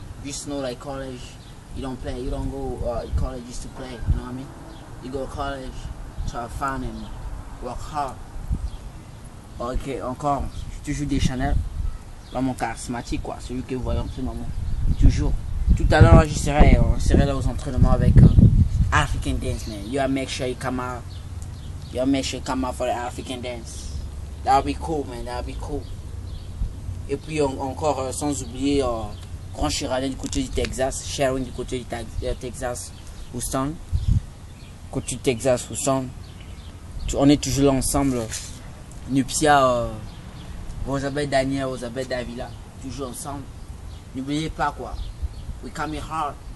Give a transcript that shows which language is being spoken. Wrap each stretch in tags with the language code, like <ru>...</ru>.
<en>Just know, like, college, you don't play, you don't go to college just to play, you know what I mean? You go to college to have fun and work hard.</en> <fr>Ok, encore, toujours des Chanel, vraiment charismatique, quoi, celui que vous voyez en ce moment, toujours. Tout à l'heure, je serai là aux entraînements avec African Dance, man.</fr> <en>You have make sure you come out. You have make sure you come out for the African Dance. That would be cool, man, that would be cool.</en> <fr>Et puis, encore, sans oublier, Grand Chiralin du côté du Texas, Sherwin du côté du Texas, Houston. Côté du Texas, Houston. On est toujours là ensemble. Nupcia, Rosabelle Daniel, Rosabelle Davila, toujours ensemble. N'oubliez pas, quoi.</fr> <en>We come here hard.</en>